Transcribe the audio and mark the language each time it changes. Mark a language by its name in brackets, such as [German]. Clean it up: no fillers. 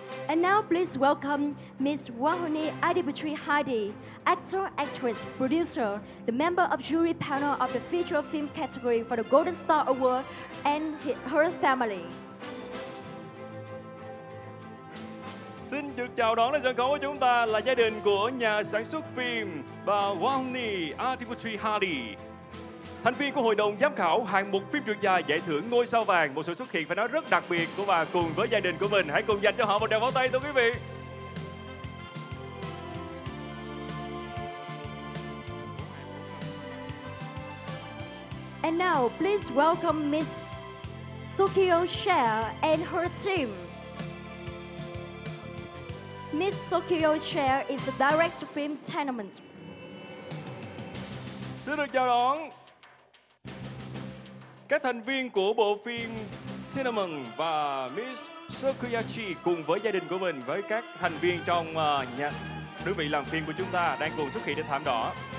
[English] And now please welcome Miss Wahuni Adibutri Hadi, actor, actress, producer, the member of jury panel of the feature film category for the Golden Star Award and her family. [Vietnamese] Xin được chào đón lên sân khấu của chúng ta là gia đình của nhà sản xuất phim và Wahuni Adibutri Hadi, thành viên của hội đồng giám khảo hạng mục phim truyện dài giải thưởng Ngôi Sao Vàng, một sự xuất hiện phải nói rất đặc biệt của bà cùng với gia đình của mình. Hãy cùng dành cho họ một tràng pháo tay, thưa quý vị. [English] And now, please welcome Miss Sukiyo Share and her team. Miss Sukiyo Share is the director of Film Tenement. [Vietnamese] Xin được chào đón các thành viên của bộ phim Tenement và Miss Sukiyachi cùng với gia đình của mình, với các thành viên trong nhà đơn vị làm phim của chúng ta đang cùng xuất hiện trên thảm đỏ.